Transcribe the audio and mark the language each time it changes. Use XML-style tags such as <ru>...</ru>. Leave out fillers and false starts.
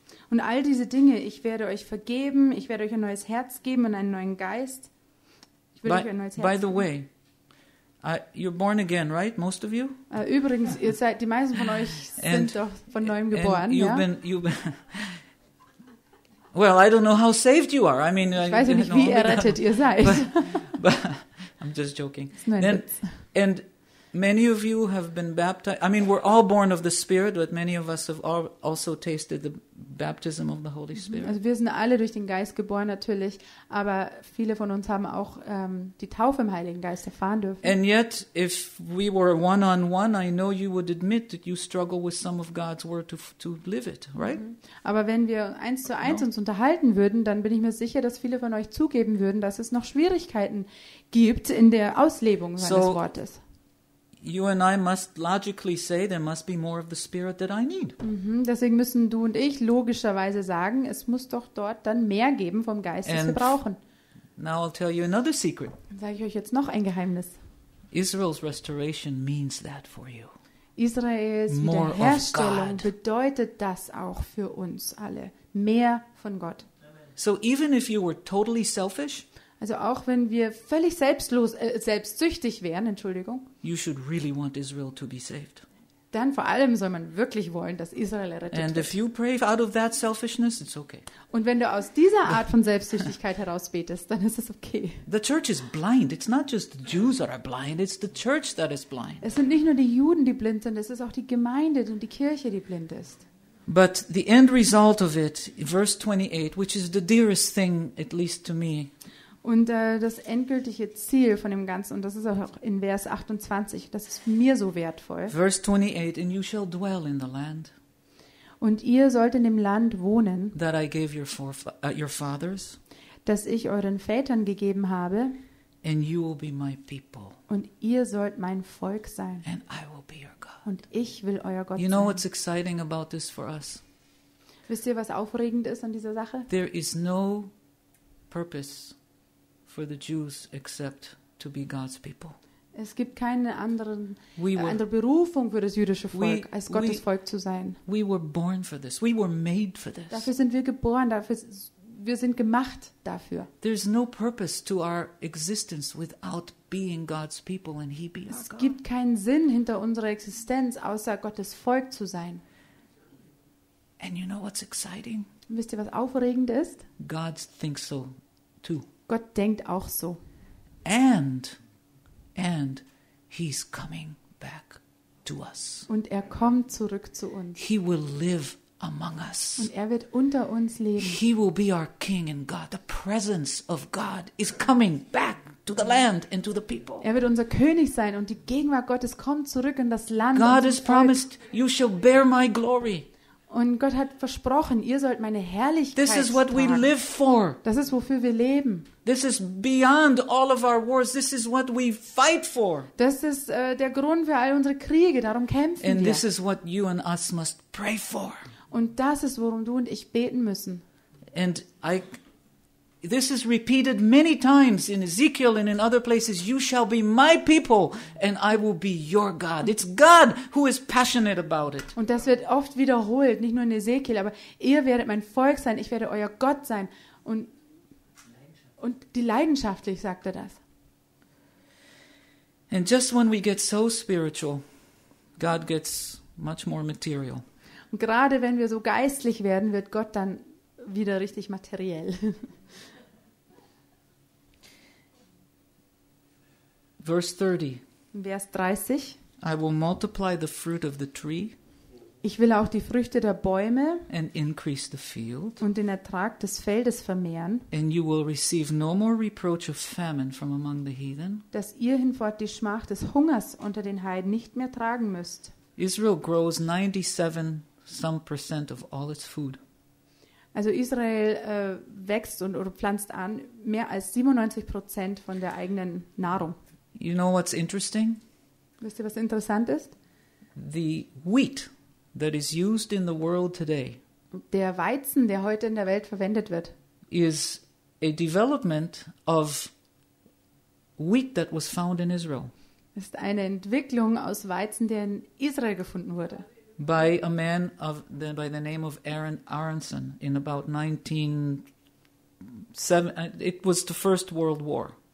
<de>Und all diese Dinge, ich werde euch vergeben, ich werde euch ein neues Herz geben und einen neuen Geist. Ich will euch ein neues Herz geben.</de> <en>By the way, you're born again, right? Most of you?</en> <de>Übrigens, ihr seid, die meisten von euch sind doch von neuem geboren,</de> <en>you've</en> <de>ja?</de> <en>Well, I don't know how saved you are. I mean,</en> <de>ich weiß nicht, wie errettet ihr seid.</de> <en>But I'm just joking. And many of you have been baptized. I mean, we're all born of the Spirit, but many of us have also tasted the baptism of the Holy Spirit.</en> <de>Also wir sind alle durch den Geist geboren natürlich, aber viele von uns haben auch die Taufe im Heiligen Geist erfahren dürfen.</de> <en>And yet, if we were one-on-one, I know you would admit that you struggle with some of God's word to live it, right?</en> <de>Aber wenn wir eins zu eins uns unterhalten würden, dann bin ich mir sicher, dass viele von euch zugeben würden, dass es noch Schwierigkeiten gibt in der Auslebung seines Wortes.</de> <en>You and I must logically say there must be more of the spirit that I need.</en> <de>Deswegen müssen du und ich logischerweise sagen, es muss doch dort dann mehr geben vom Geist, das wir brauchen.</de> <en>Now I'll tell you another secret.</en> <de>Dann sage ich euch jetzt noch ein Geheimnis.</de> <en>Israel's restoration means that for you.</en> <de>Israels Wiederherstellung bedeutet das auch für uns alle, mehr von Gott.</de> <en>So even if you were totally selfish,</en> <de>also auch wenn wir völlig selbstlos, selbstsüchtig wären, Entschuldigung,</de> <en>you should really want Israel to be saved.</en> <de>Dann vor allem soll man wirklich wollen, dass Israel errettet</de> <en>and</en> <de>wird.</de> <en>If you pray out of that selfishness, it's okay.</en> <de>Und wenn du aus dieser Art von Selbstsüchtigkeit heraus betest, dann ist es okay.</de> <en>The church is blind. It's not just the Jews that are blind. It's the church that is blind.</en> <de>Es sind nicht nur die Juden, die blind sind. Es ist auch die Gemeinde und die Kirche, die blind ist.</de> <en>But the end result of it, verse 28, which is the dearest thing, at least to me,</en> <de>und das endgültige Ziel von dem Ganzen, und das ist auch in Vers 28, das ist mir so wertvoll.</de> <en>Verse 28, and you shall dwell in the land.</en> <de>Und ihr sollt in dem Land wohnen,</de> <en>that I gave your fathers,</en> <de>das ich euren Vätern gegeben habe.</de> <en>And you will be my people.</en> <de>Und ihr sollt mein Volk sein.</de> <en>And I will be your God.</en> <de>Und ich will euer Gott</de> <en>you know</en> <de>sein.</de> <en>What's exciting about this for us?</en> <de>Wisst ihr, was aufregend ist an dieser Sache?</de> <en>There is no purpose for the Jews except to be God's people.</en> <de>Es gibt keine andere Berufung für das jüdische Volk, als Gottes Volk zu sein.</de> <en>We were born for this. We were made for this.</en> <de>Dafür sind wir geboren, wir sind gemacht dafür.</de> <en>There's no purpose to our existence without being God's people and He be our God.</en> <de>Es gibt keinen Sinn hinter unserer Existenz, außer Gottes Volk zu sein.</de> <en>And you know what's exciting?</en> <de>Wisst ihr, was aufregend ist?</de> <en>God thinks so too.</en> <de>Gott denkt auch so.</de> <en>And he's coming back to us.</en> <de>Und er kommt zurück zu uns.</de> <en>He will live among us.</en> <de>Und er wird unter uns leben.</de> <en>He will be our king and God. The presence of God is coming back to the land and to the people.</en> <de>Er wird unser König sein und die Gegenwart Gottes kommt zurück in das Land.</de> <en>God has promised, you shall bear my glory.</en> <de>Und Gott hat versprochen, ihr sollt meine Herrlichkeit tragen.</de> <en>This is what we live for.</en> <de>Das ist, wofür wir leben.</de> <en>This is beyond all of our wars. This is what we fight for.</en> <de>Das ist der Grund für all unsere Kriege. Darum kämpfen</de> <en>and</en> <de>wir.</de> <en>This is what you and us must pray for.</en> <de>Und das ist, worum du und ich beten müssen.</de> <en>And this is repeated many times in Ezekiel and in other places. You shall be my people and I will be your God. It's God who is passionate about it.</en> <de>Und das wird oft wiederholt, nicht nur in Ezekiel, aber ihr werdet mein Volk sein, ich werde euer Gott sein. Und die leidenschaftlich sagt er das.</de> <en>And just when we get so spiritual, God gets much more material.</en> <de>Und gerade wenn wir so geistlich werden, wird Gott dann wieder richtig materiell.</de> <en>Verse 30.</en> <de>Vers 30.</de> <en>I will multiply the fruit of the tree.</en> <de>Ich will auch die Früchte der Bäume</de> <en>and increase the field.</en> <de>Und den Ertrag des Feldes vermehren.</de> <en>And you will receive no more reproach of famine from among the heathen.</en> <de>Dass ihr hinfort die Schmach des Hungers unter den Heiden nicht mehr tragen müsst.</de> <en>Israel grows 97 some percent of all its food.</en> <de>Also Israel wächst und oder pflanzt an mehr als 97% von der eigenen Nahrung.</de> <en>You know what's interesting?</en> <de>Wisst ihr, was interessant ist?</de> <en>The wheat that is used in the world today.</en> <de>Der Weizen, der heute in der Welt verwendet wird,</de> <en>is a development of wheat that was found in Israel.</en> <de>Ist eine Entwicklung aus Weizen, der in Israel gefunden wurde.</de> <en>By a man of the, by the name of Aaron Aronson in about 1907, it was the First World War.</en>